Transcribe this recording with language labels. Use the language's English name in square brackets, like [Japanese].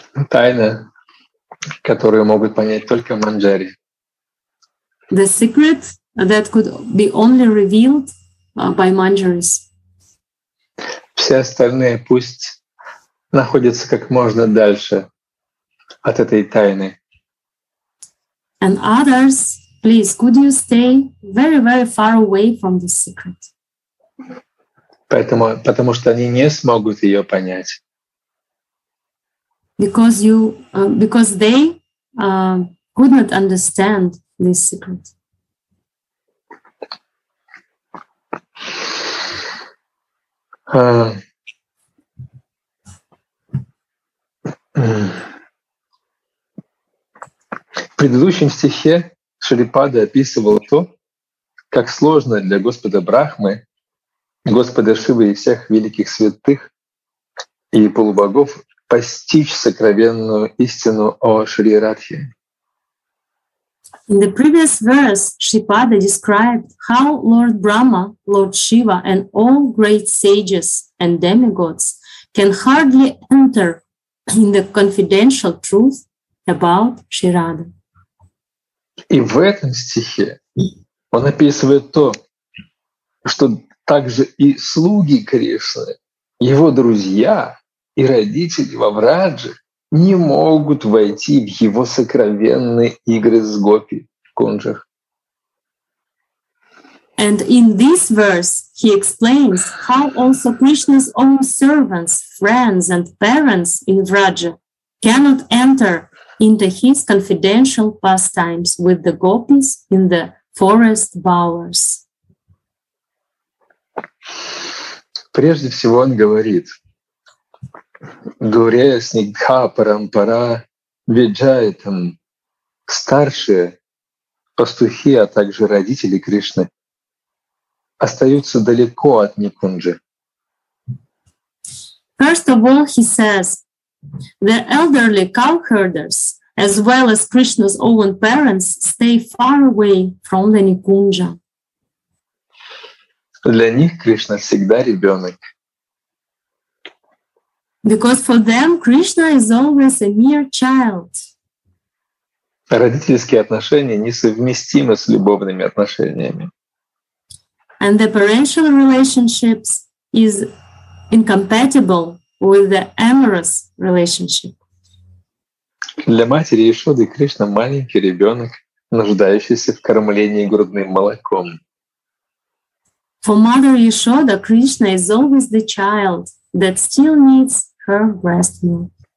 [Russian] Тайна, которую могут понять только манджари. [English] The secret that could be only revealed by manjaris. [Russian] Все остальные пусть находятся как можно дальше от этой тайны. [English] And others, please, could you stay very, very far away from this secret? [Russian] Потому что они не смогут ее понять. [English] Because they could not understand this secret. [Russian] В предыдущем стихе Шрипада описывал то, как сложно для Господа Брахмы, Господа Шивы и всех великих святых и полубогов постичь сокровенную истину о Шри Радхе. [English] In the previous verse, Шрипада described how Lord Brahma, Lord Shiva and all great sages and demigods can hardly enter in the confidential truth about Shri Radha. [Russian] И в этом стихе он описывает то, что также и слуги Кришны, его друзья и родители во Врадже не могут войти в его сокровенные игры с гопи в кунджах. [English] And in this verse he explains how also Krishna's own servants, friends and parents in Vraja cannot enter into his confidential pastimes with the gopis in the forest bowers. [Russian] Прежде всего он говорит: [Sanskrit] Гуре снигдха парампара виджайтам, [Russian] старшие пастухи, а также родители Кришны остаются далеко от Никунджи. [English] First of all, he says, the elderly cowherders as well as Krishna's own parents stay far away from the Nikunja. [Russian] Для них Кришна всегда ребенок. [English] Because for them Krishna is always a mere child. [Russian] Родительские отношения несовместимы с любовными отношениями. [English] And the parental relationships is incompatible with the amorous relationship. [Russian] Для матери Ишоды Кришна маленький ребенок, нуждающийся в кормлении грудным молоком. [English] For mother Ishoda, Krishna is always the child that still needs her breast milk.